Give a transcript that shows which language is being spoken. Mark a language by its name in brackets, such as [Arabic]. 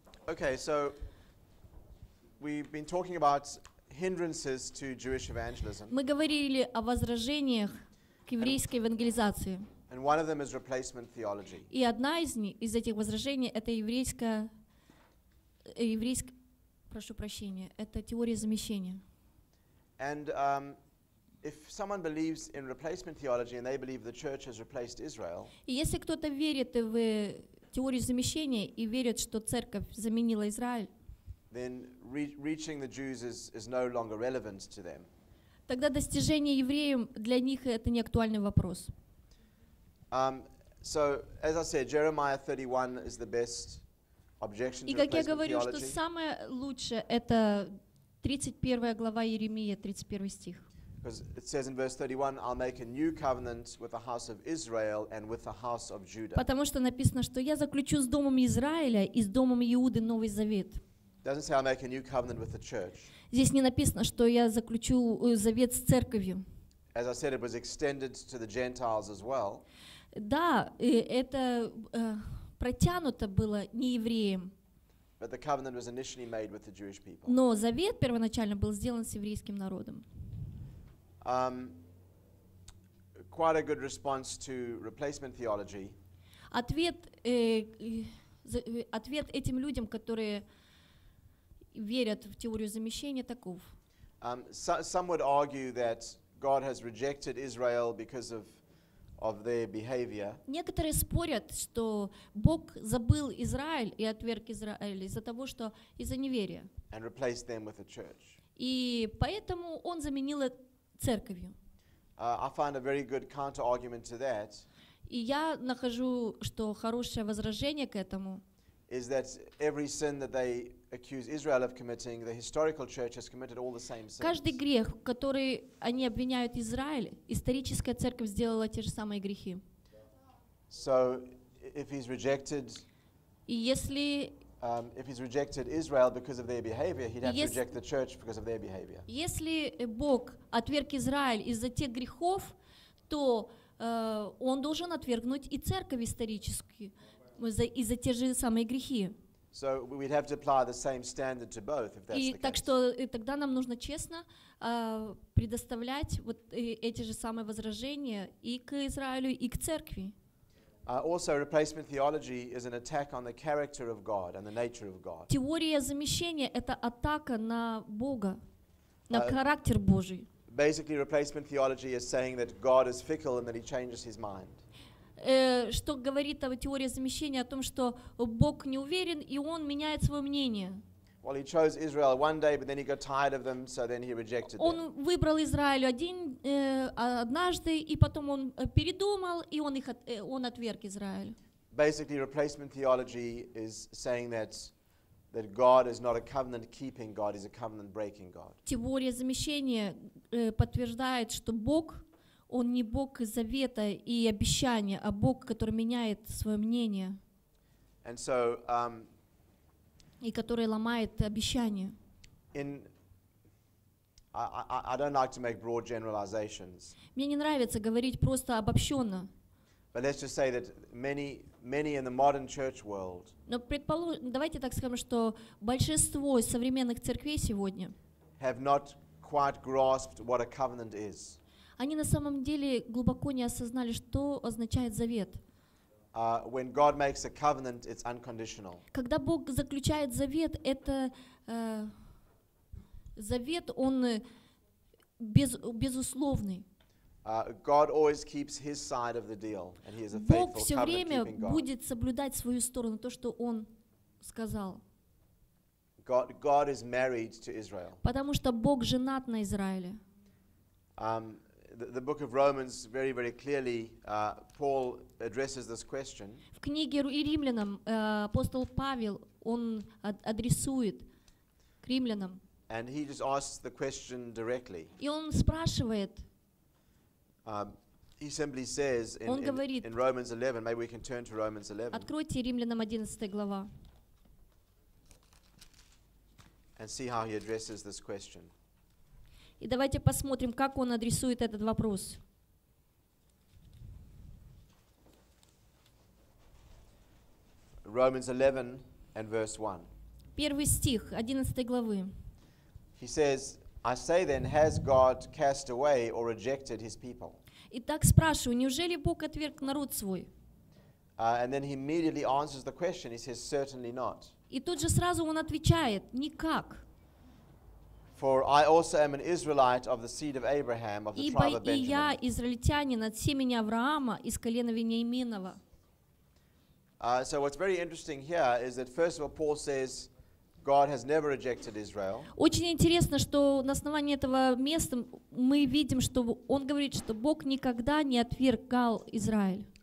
[English] Okay, so we've been talking about hindrances to Jewish evangelism. [Russian] Мы говорили о возражениях к еврейской евангелизации. [English] And one of them is replacement theology. [Russian] И одна из этих возражений это это теория замещения. [English] And if someone believes in replacement theology and they believe the church has replaced Israel. [Russian] И если кто-то верит в теорию замещения и верит, что церковь заменила Израиль. [English] Then reaching the Jews is no longer relevant to them. [Russian] Тогда достижение евреям для них это не актуальный вопрос. [English] So as I said, Jeremiah 31 is the best objection to [Russian] И как я говорю, что самое лучшее это 31 глава Иеремии, 31 стих. [English] Because it says in verse 31, I'll make a new covenant with the house of Israel and with the house of Judah. [Russian] Потому что написано, что я заключу с домом Израиля и с домом Иуды новый завет. [English] Doesn't say I'll make a new covenant with the church. [Russian] Здесь не написано, что я заключу завет с церковью. [English] As I said, it was extended to the Gentiles as well. [Russian] Да, это протянуто было не евреям. [English] But the covenant was initially made with the Jewish people. [Russian] Но завет первоначально был сделан с еврейским народом. [English] Quite a good response to replacement theology. [Russian] Ответ этим людям, которые верят в теорию замещения, таков. [English] Some would argue that God has rejected Israel because of their behavior. [Russian] Некоторые спорят, что Бог забыл Израиль и отверг Израиль из-за неверия. [English] And replaced them with the church. [Russian] И поэтому он заменил церковью. [English] I find a very good counter-argument to that. [Russian] И я нахожу, что хорошее возражение к этому. [English] Is that every sin that they accuse Israel of committing, the historical church has committed all the same sins. [Russian] Каждый грех, который они обвиняют Израиль, историческая церковь сделала те же самые грехи. [English] So, if he's rejected. [Russian] И если. [English] If he's rejected Israel because of their behavior, he'd have to reject the church because of their behavior. [Russian] Если Бог отверг Израиль из-за тех грехов, то он должен отвергнуть и церковь исторически из-за тех же самые грехи. [English] So we'd have to apply the same standard to both, if that's the case. [Russian] И так что тогда нам нужно честно предоставлять вот эти же самые возражения и к Израилю, и к церкви. [English] Also, replacement theology is an attack on the character of God and the nature of God. [Russian] Теория замещения это атака на Бога, на характер Божий. [English] Basically, replacement theology is saying that God is fickle and that He changes His mind. [Russian] Что говорит об теории замещения о том, что Бог не уверен и Он меняет свое мнение? [English] Well, He chose Israel one day, but then He got tired of them, so then He rejected them. [Russian] Он выбрал Израиль однажды, и потом он передумал, и он отверг Израиль. [English] Basically, replacement theology is saying that God is not a covenant-keeping God; He's a covenant-breaking God. [Russian] Теория замещения подтверждает, что Бог он не Бог завета и обещания, а Бог, который меняет свое мнение. [English] And so. [Russian] И который ломает обещания. [English] I don't like to make broad generalizations. [Russian] Мне не нравится говорить просто обобщенно. [English] But let's just say that many in the modern church world. [Russian] Но давайте так скажем, что большинство современных церквей сегодня [English] have not quite grasped what a covenant is. [Russian] Они на самом деле глубоко не осознали, что означает завет. [English] When God makes a covenant, it's unconditional. [Russian] Когда Бог заключает завет, это завет он безусловный. [English] God always keeps His side of the deal, and He is a faithful covenant keeping God. [Russian] Бог все время будет соблюдать свою сторону, то, что Он сказал. [English] God is married to Israel. [Russian] Потому что Бог женат на Израиле. [English] The book of Romans very, very clearly Paul addresses this question. [Russian] В книге Римлянам апостол Павел он адресует к Римлянам. [English] And he just asks the question directly. [Russian] И он спрашивает. [English] He simply says in Romans 11. Maybe we can turn to Romans 11. [Russian] Откройте Римлянам 11 глава. [English] And see how he addresses this question. [Russian] И давайте посмотрим, как он адресует этот вопрос. [English] Romans 11 and verse 1. [Russian] Первый стих 11 главы. [English] He says, I say then, has God cast away or rejected his people? [Russian] И так спрашиваю, неужели Бог отверг народ свой? [English] And then he immediately answers the question. He says, certainly not. [Russian] И тут же сразу он отвечает, никак. [English] For I also am an Israelite of the seed of Abraham, of the tribe of Benjamin. [Russian] Ибо и я израильтянин от семени Авраама из колена Вениаминова. [English] So what's very interesting here is that first of all, Paul says, God has never rejected Israel. [Russian] Очень интересно, что на основании этого места мы видим, что он говорит, что Бог никогда не отвергал Израиль.